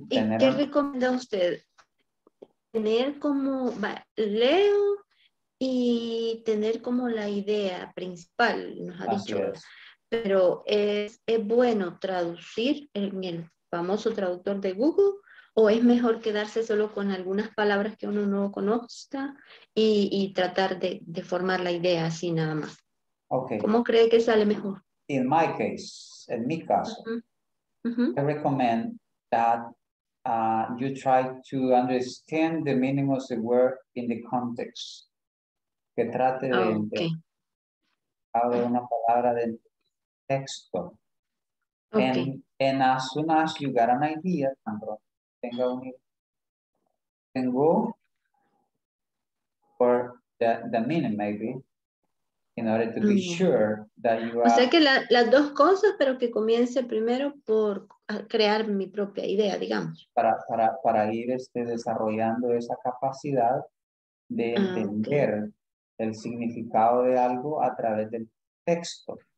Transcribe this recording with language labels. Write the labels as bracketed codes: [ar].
[es] tener... ¿Y qué recomienda usted? Tener como, leo y tener como la idea principal, nos ha Así dicho. Es. Pero es bueno traducir en el famoso traductor de Google, o es mejor quedarse solo con algunas palabras que uno no conozca y tratar de formar la idea así nada más. Okay. ¿Cómo cree que sale mejor? [en] In my case, [es] en mi caso, [en] I recommend that you try to understand the meaning of the word in the context. [es] Que trate de entender una palabra del texto. Okay. [en] And as soon as you got an idea, Sandro, [es] tenga un idea, [en] go for the meaning maybe. In order to be sure that you are... [es] O sea que las dos cosas, pero que comience primero por crear mi propia idea, digamos. Para ir desarrollando esa capacidad de entender el significado de algo a través del texto.